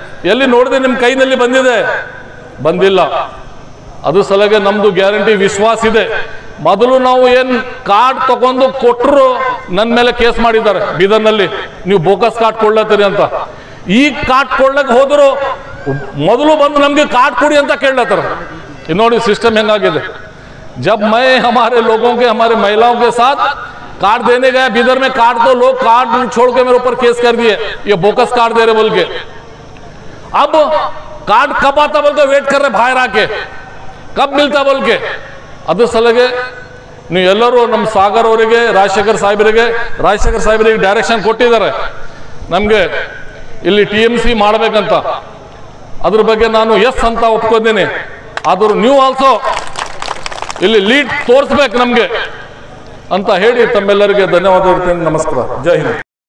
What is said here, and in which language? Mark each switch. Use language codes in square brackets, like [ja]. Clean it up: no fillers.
[kn] ಎಲ್ಲಿ ನೋಡಿದೆ ನಿಮ್ಮ ಕೈನಲ್ಲಿ ಬಂದಿದೆ? ಬಂದಿಲ್ಲ. ಅದ್ರ ಸಲಗೆ ನಮ್ದು ಗ್ಯಾರಂಟಿ ವಿಶ್ವಾಸ ಇದೆ. ಮೊದಲು ನಾವು ಏನು ಕಾರ್ಡ್ ತಗೊಂಡು ಕೊಟ್ಟರು ನನ್ನ ಮೇಲೆ ಕೇಸ್ ಮಾಡಿದ್ದಾರೆ ಬೀದರ್ನಲ್ಲಿ, ನೀವು ಬೋಕಸ್ ಕಾರ್ಡ್ ಕೊಡ್ಲತ್ತೀರಿ ಅಂತ. ಈ ಕಾರ್ಡ್ ಕೊಡ್ಲಕ್ಕೆ ಹೋದ್ರು ಮೊದಲು ಬಂದು ನಮಗೆ ಕಾರ್ಡ್ ಕೊಡಿ ಅಂತ ಕೇಳತ್ತಾರೆ. ಇನ್ನೋಡಿ ಸಿಸ್ಟಮ್ ಹೆಂಗಾಗಿದೆ. [hi] जब मैं हमारे लोगों के हमारे महिलाओं के साथ कार्ड देने गया बिदर में, कार्ड तो लोग कार्ड छोड़ के मेरे ऊपर केस कर दिए, ये बोकस कार्ड दे रहे बोल के। अब कार्ड कब आता बोल के वेट कर रहे भाई रा के, कब मिलता बोल के। अब सलगे [kn] ಎಲ್ಲರೂ ನಮ್ಮ ಸಾಗರ್ ಅವರಿಗೆ, ರಾಜಶೇಖರ್ ಸಾಹೇಬರಿಗೆ, ರಾಜಶೇಖರ್ ಸಾಹೇಬರಿಗೆ ಡೈರೆಕ್ಷನ್ ಕೊಟ್ಟಿದ್ದಾರೆ ನಮಗೆ ಇಲ್ಲಿ ಟಿ ಎಂ ಸಿ ಮಾಡಬೇಕಂತ. ಅದ್ರ ಬಗ್ಗೆ ನಾನು ಎಸ್ ಅಂತ ಒಪ್ಕೊಂಡಿದ್ದೀನಿ. ಆದರೂ ನೀವು ಆಲ್ಸೋ ಇಲ್ಲಿ ಲೀಡ್ ತೋರಿಸ್ಬೇಕು ನಮಗೆ ಅಂತ ಹೇಳಿ ತಮ್ಮೆಲ್ಲರಿಗೆ ಧನ್ಯವಾದ ಹೇಳ್ತೇನೆ. ನಮಸ್ಕಾರ, ಜೈ ಹಿಂದ್.